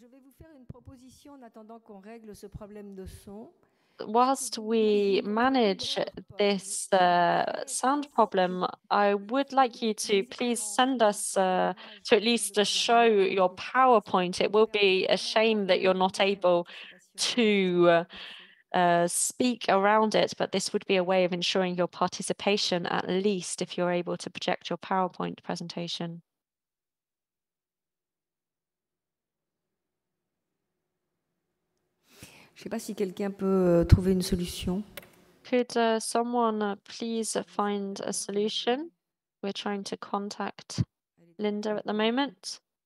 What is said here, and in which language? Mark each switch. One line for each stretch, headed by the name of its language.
French: Je vais vous faire une proposition en attendant qu'on règle ce problème de son.
English: whilst we manage this sound problem, I would like you to please send us to at least to show your PowerPoint. It will be a shame that you're not able to speak around it, but this would be a way of ensuring your participation, at least if you're able to project your PowerPoint presentation.
French: Je ne sais pas si quelqu'un peut trouver une solution.
English: Could someone please find a solution? We're trying to contact Linda at the moment.